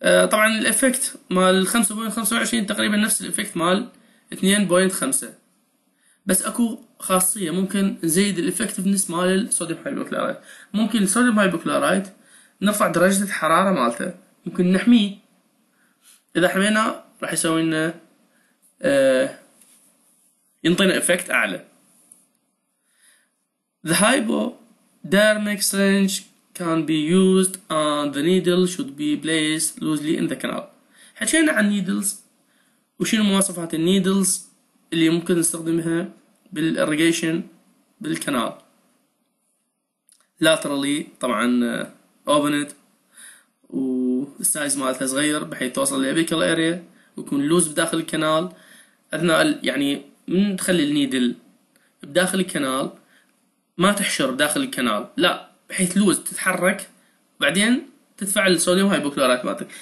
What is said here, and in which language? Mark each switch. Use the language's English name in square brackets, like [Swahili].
[Arabic] طبعا الافكت مال 5.25 تقريبا نفس الافكت مال 2.5 بس اكو خاصية ممكن نزيد الافكتفنس مال الصوديوم هايبوكلورايت. ممكن الصوديوم هايبوكلورايت نرفع درجة الحرارة مالته ممكن نحميه. اذا حمينا راح يسوي لنا ينطينا افكت اعلى. [English] The hypodermics syringe can be used and the needle should be placed loosely in the canal. [Arabic] حكينا عن needles وشنو مواصفات needles اللي ممكن نستخدمها بالirrigation بالكنال. Laterally طبعا [English] open it [Arabic] والسايز مالتها صغير بحيث توصل للابيكال اريا ويكون لوز بداخل الكنال اثناء يعني من تخلي النيدل بداخل الكنال ما تحشر داخل الكنال لا بحيث لوز تتحرك بعدين تتفعل الصوديوم هايبوكلورايت مالتك.